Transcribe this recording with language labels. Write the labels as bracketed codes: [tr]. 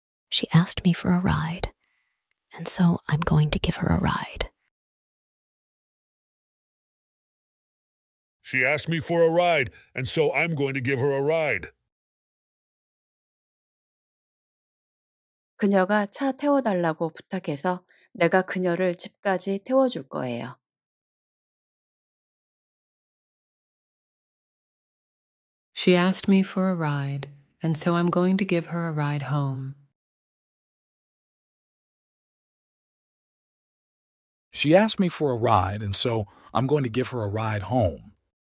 [en] She asked me for a ride, and so I'm going to give her a ride. She asked me for a ride, and so I'm going to give her a ride. [ko] 그녀가 차 태워달라고 부탁해서 내가 그녀를 집까지 태워줄 거예요. [en] She asked me for a ride, and so I'm going to give her a ride home. She asked me for a ride, and so I'm going to give her a ride home.